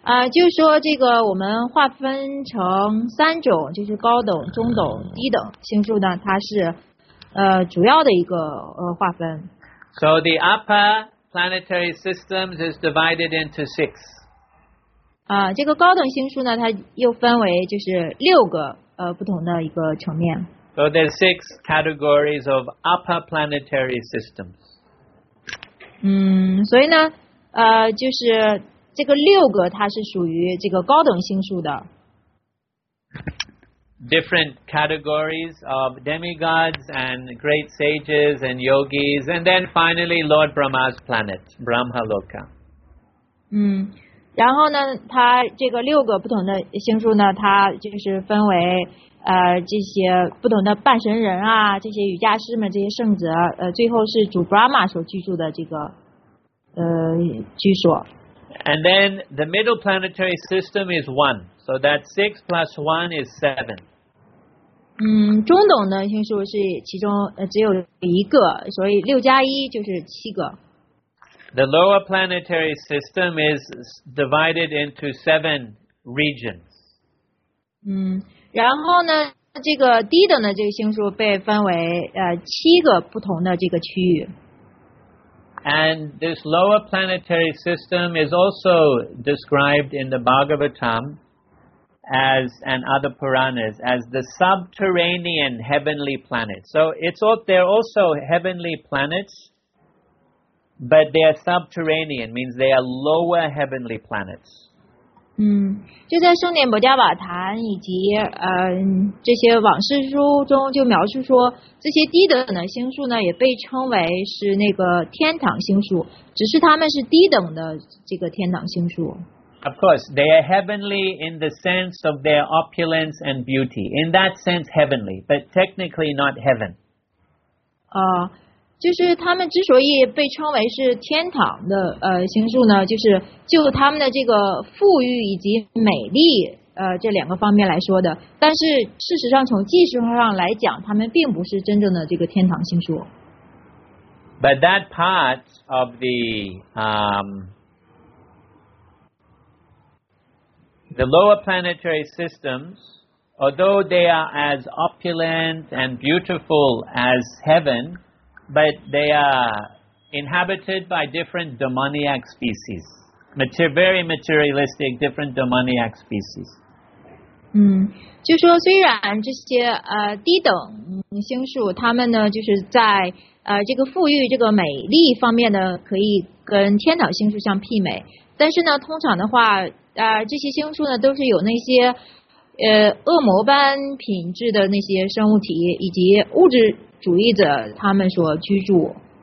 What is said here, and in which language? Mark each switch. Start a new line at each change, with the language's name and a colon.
Chinese: 就是说这个我们划分成三种，就是高等、中等、低等星宿呢，它是主要的一个划分。
English: So the upper planetary systems is divided into six.
Chinese: 这个高等星宿呢，它又分为就是六个不同的一个层面。
English: So there's six categories of upper planetary systems.
Chinese: 所以呢，就是这个六个它是属于这个高等星宿的。
English: Different categories of demigods and great sages and yogis, and then finally Lord Brahma's planet, Brahma Loka.
Chinese: 然后呢，它这个六个不同的星宿呢，它就是分为这些不同的半神人啊，这些瑜伽师们，这些圣者，最后是主 Brahma 所居住的这个居所。
English: And then the middle planetary system is one, so that six plus one is seven.
Chinese: 中等的星宿是其中只有一个，所以六加一就是七个。
English: The lower planetary system is divided into seven regions.
Chinese: 然后呢，这个低等的这个星宿被分为七个不同的这个区域。
English: And this lower planetary system is also described in the Bhagavatam as and other Puranas as the subterranean heavenly planet. So it's all they're also heavenly planets. But they are subterranean, means they are lower heavenly planets.
Chinese: 就在圣典博迦瓦坛以及这些往事书中就描述说，这些低等的星宿呢，也被称为是那个天堂星宿，只是他们是低等的这个天堂星宿。
English: Of course, they are heavenly in the sense of their opulence and beauty. In that sense, heavenly, but technically not heaven.
Chinese: 就是他们之所以被称为是天堂的星宿呢，就是就他们的这个富裕以及美丽这两个方面来说的，但是事实上从技术上来讲，他们并不是真正的这个天堂星宿。
English: But that part of the lower planetary systems, although they are as opulent and beautiful as heaven, but they are inhabited by different demoniac species, very materialistic, different demoniac species.
Chinese: 就说虽然这些低等星宿他们呢就是在这个富裕这个美丽方面呢可以跟天堂星宿相媲美，但是呢通常的话这些星宿呢都是有那些恶魔般品质的那些生物体以及物质主义者他们所居住。